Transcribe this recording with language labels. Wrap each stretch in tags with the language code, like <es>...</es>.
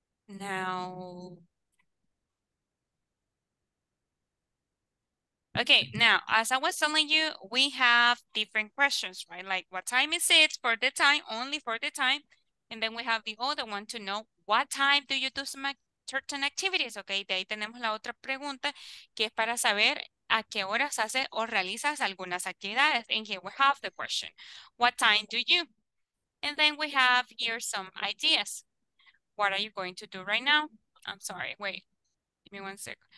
<en>Now, okay, now, as I was telling you, we have different questions, right? Like, what time is it for the time, only for the time? And then we have the other one to know, what time do you do some certain activities, okay?</en> <es>De ahí tenemos la otra pregunta, que es para saber a qué horas haces o realizas algunas actividades.</es> <en>And here we have the question, what time do you? And then we have here some ideas. What are you going to do right now? I'm sorry, wait, give me 1 sec.</en>